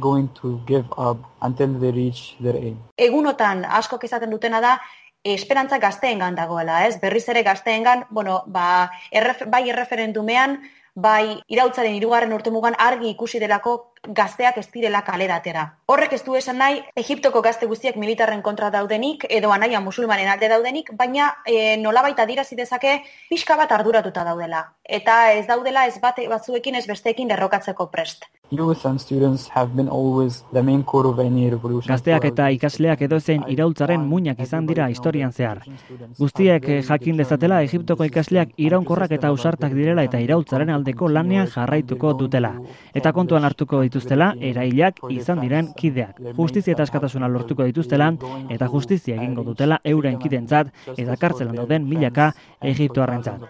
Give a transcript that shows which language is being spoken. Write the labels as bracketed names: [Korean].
[English] To give up until they reach their aim. [Basque] Egunotan asko kezaten dutena da esperantza gazteengan dagoela, ez? Berriz ere gazteengan, bai erreferendumean, bai irautzaren 3. urtemugan argi ikusi delako gazteak ez direla kalera atera. Horrek ez du esan nahi Egiptoko gazte guztiak militarren kontra daudenik edo anaia musulmanen alde daudenik, baina nolabait adierazi dezake pixka bat arduratuta daudela eta ez daudela ez bate batzuekin ez besteekin derrokatzeko prest. [English] Youth and students have been always the main core of any revolution. [Basque] Gazteak eta ikasleak edozein iraultzaren muinak izan dira historian zehar. Guztiek jakin dezatela Egiptoko ikasleak iraunkorrak eta ausartak direla eta iraultzaren aldeko lanean jarraituko dutela. Eta kontuan hartuko dituztela erailak izan diren kideak. Justizia eta askatasuna lortuko dituztela eta justizia egingo dutela euren kidentzat eta kartzelan dauden milaka egiptoarrentzat.